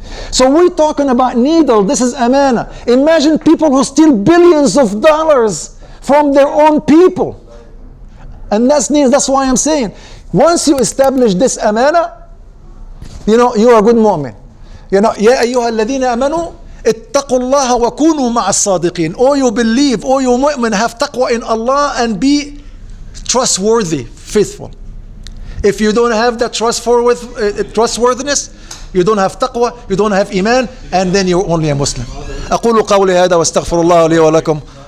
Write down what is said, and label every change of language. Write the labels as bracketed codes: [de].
[en] So we're talking about needle. This is amana. Imagine people who steal billions of dollars from their own people. And that's needle. That's why I'm saying, once you establish this amana, you know, you are a good mu'min. You know, [ar] يَا أَيُّهَا الَّذِينَ أَمَنُوا اتَّقُوا اللَّهَ وَكُونُوا مَعَ الصَّادِقِينَ. [en] Oh, you believe, oh, you mu'min, have taqwa in Allah and be trustworthy, faithful. If you don't have that trustworthiness, you don't have taqwa, you don't have iman, and then you're only a Muslim. [ar] أقول قولي هذا واستغفر الله لي ولكم.